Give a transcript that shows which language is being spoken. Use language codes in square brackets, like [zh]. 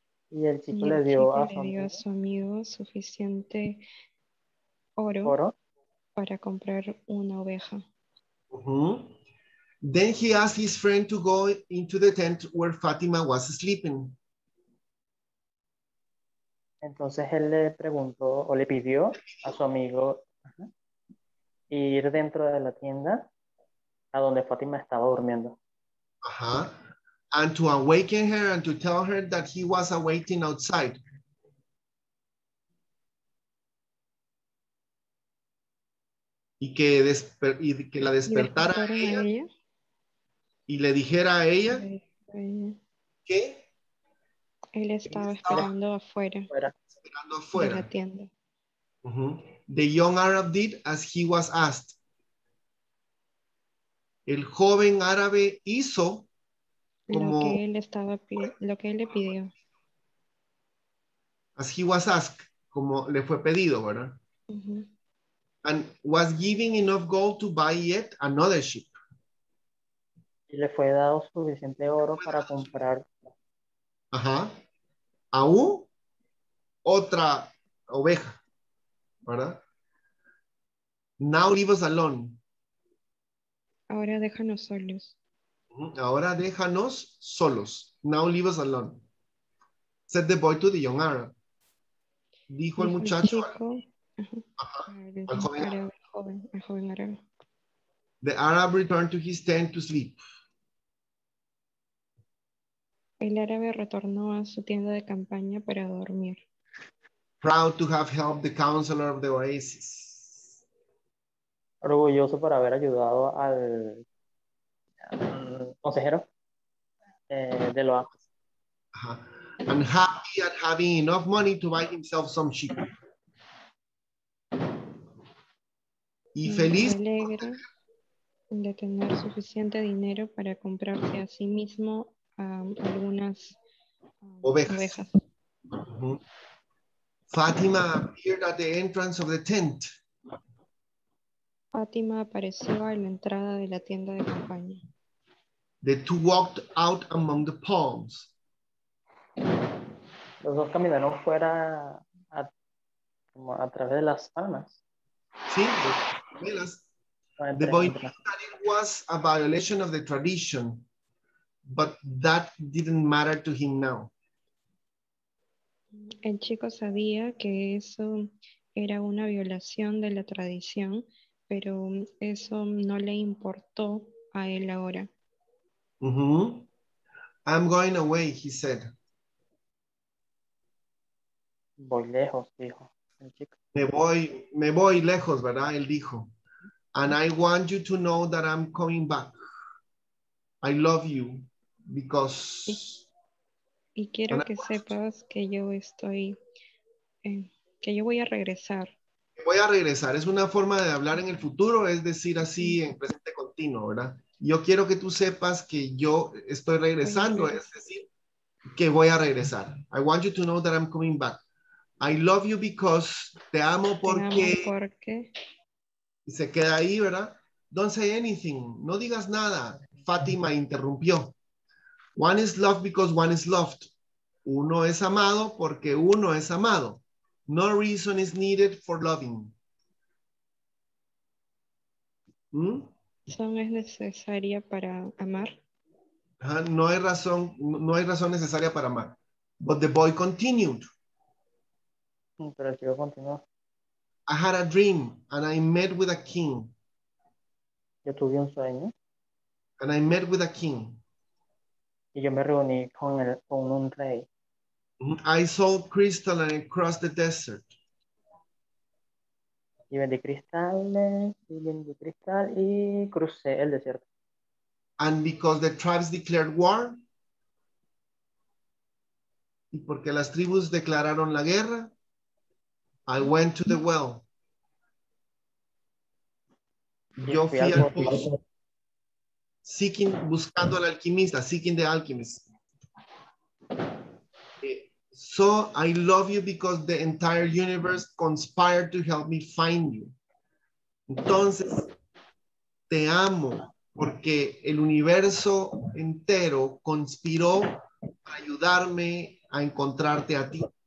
[es] Y el chico le dio a su amigo suficiente oro para comprar una oveja. Uh-huh. [en] Then he asked his friend to go into the tent where Fatima was sleeping. [es] Entonces él le preguntó o le pidió a su amigo ir dentro de la tienda a donde Fátima estaba durmiendo. Ajá. [en] And to awaken her and to tell her that he was awaiting outside. [es] Y que la despertara a ella. Y le dijera a ella que él estaba esperando afuera. Afuera. De la tienda. Uh-huh. [en] The young Arab did as he was asked. [es] El joven árabe hizo como lo que él le pidió. [en] As he was asked, [es] como le fue pedido, ¿verdad? Uh-huh. [en] And was giving enough gold to buy yet another ship. [es] Y le fue dado suficiente oro para comprar. Ajá. Aún otra oveja, ¿verdad? [en] Now leave us alone. [es] Ahora déjanos solos. Ahora déjanos solos. [en] Now leave us alone. Said the boy to the young Arab. [es] Dijo el muchacho. El joven árabe. [en] The Arab returned to his tent to sleep. [es] El árabe retornó a su tienda de campaña para dormir. [en] Proud to have helped the counselor of the oasis. [es] Orgulloso por haber ayudado al consejero del oasis. [en] Uh-huh. unhappy at having enough money to buy himself some sheep. [es] Y feliz de tener suficiente dinero para comprarse a sí mismo algunas ovejas. [en] Fátima appeared at the entrance of the tent. [es] Fátima apareció en la entrada de la tienda de campaña. [en] The two walked out among the palms. [es] Los dos caminaron fuera a través de las palmas. Sí, de las palmas. [en] The boy knew that it was a violation of the tradition, but that didn't matter to him now. [es] El chico sabía que eso era una violación de la tradición, pero eso no le importó a él ahora. [en] Mm-hmm. I'm going away, he said. [es] Voy lejos, dijo el chico. Me voy lejos, ¿verdad? Él dijo. [en] And I want you to know that I'm coming back. I love you because... Sí. [es] Y quiero que sepas que yo estoy, que yo voy a regresar. Voy a regresar. Es una forma de hablar en el futuro, es decir, así en presente continuo, ¿verdad? Yo quiero que tú sepas que yo estoy regresando, es decir, que voy a regresar. [en] I want you to know that I'm coming back. I love you because, [es] te amo porque... Te amo porque... Y se queda ahí, ¿verdad? [en] Don't say anything. [es] No digas nada. Fátima interrumpió. [en] One is loved because one is loved. [es] Uno es amado porque uno es amado. [en] No reason is needed for loving. [es] ¿Razón es necesaria para amar? No hay razón necesaria para amar. [en] But the boy continued. [es] Pero el chico continuó. [en] I had a dream and I met with a king. [es] Yo tuve un sueño. [en] And I met with a king. [es] Y yo me reuní con un rey. [en] I saw crystal and I crossed the desert. [es] Y vendí cristales, y vendí cristal y crucé el desierto. [en] And because the tribes declared war. [es] Y porque las tribus declararon la guerra. [en] I went to the well. [es] Yo fui al pozo. [en] Seeking, [es] buscando al alquimista, [en] seeking the alchemist. So I love you because the entire universe conspired to help me find you. [es] Entonces, te amo porque el universo entero conspiró para ayudarme a encontrarte a ti.